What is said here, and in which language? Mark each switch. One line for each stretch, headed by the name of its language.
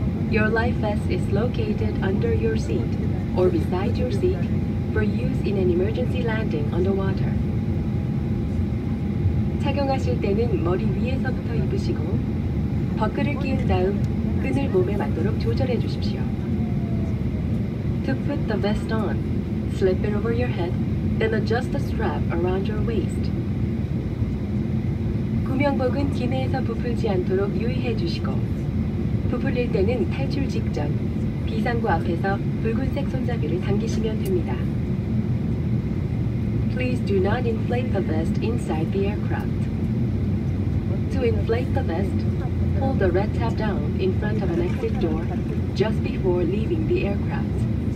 English: Your life vest is located under your seat or beside your seat for use in an emergency landing on the water.
Korean: 착용하실 때는 머리 위에서부터 입으시고 버클을 끼운 다음 끈을 몸에 맞도록 조절해 주십시오.
English: To put the vest on, slip it over your head, then adjust the strap around your waist.
Korean: 구명복은 기내에서 부풀지 않도록 유의해 주시고 부풀릴 때는 탈출 직전 비상구 앞에서 붉은색 손잡이를 당기시면 됩니다.
English: Please do not inflate the vest inside the aircraft. To inflate the vest, pull the red tab down in front of an exit door just before leaving the aircraft.